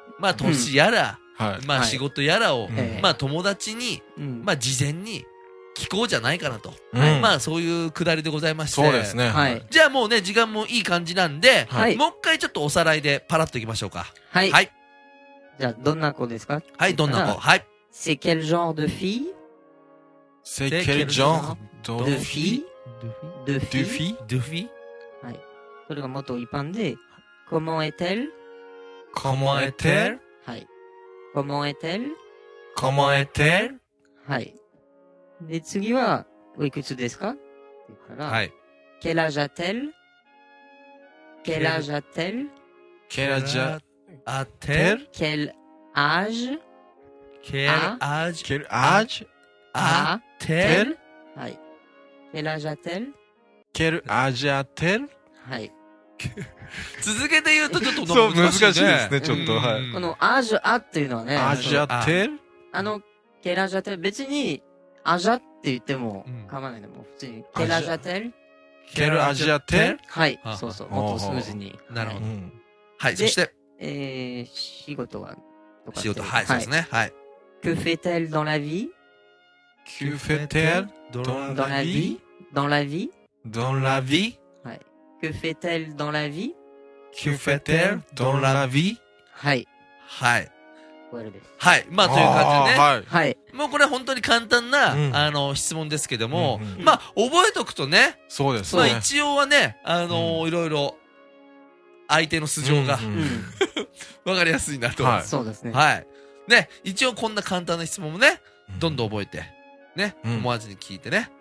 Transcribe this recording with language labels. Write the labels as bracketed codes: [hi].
[ja] まあ、年やら、まあ、仕事やらを、まあ、友達に、まあ、事前に、聞こうじゃないかなと、はい、まあそういうくだりでございまして、そうですね、はい、じゃあもうね時間もいい感じなんで、はい、もう一回ちょっとおさらいでパラッといきましょうか、はい、はい、じゃあどんな子ですか、はい、どんな子、はい、 [fr] c'est quel genre de fille? C'est quel genre de fille? De fille? De fille? De fille? De fille? [ja] はい、それがもっと一般で、 [fr] comment est-elle? Comment est-elle? はい、comment est-elle? Comment est-elle? [ja] はい。で、次は、おいくつですか？って言ったら、はい。 [fr] Quel âge a-t-elle? Quel âge a-t-elle? Quel âge a-t-elle? Quel âge? Quel âge? Quel âge [ja] アテル、はい、ケラジャテル、ケルアジャテル、はい。続けて言うとちょっと難しい、ね、そう難しいですね、ちょっと、はい、このアジャアっていうのはね、アジャテル、あのケラジャテル、別にアジャって言っても構わないの、もう普通にケラジャテル、ケルアジャテル、はい、そうそう、もっとスムーズに、なるほど、はい、そして仕事はとか、仕事、はい、はい、そうですね、はい。 [fr] Que fait-elle dans la vie? Que fait-elle dans la vie? Dans la vie? Dans la vie? [ja] はい。 [fr] Que fait-elle dans la vie? Que fait-elle dans la vie? [ja] はい。はい。はい。まあ、という感じでね。はい。はい。もうこれ本当に簡単な、うん、あの、質問ですけども、うんうん、まあ、覚えとくとね。そうですね。まあ、一応はね、うん、いろいろ、相手の素性が、わ、うん、かりやすいなと。はい。そうですね。はい。ね、一応こんな簡単な質問もね、どんどん覚えて、ね、うん、思わずに聞いてね。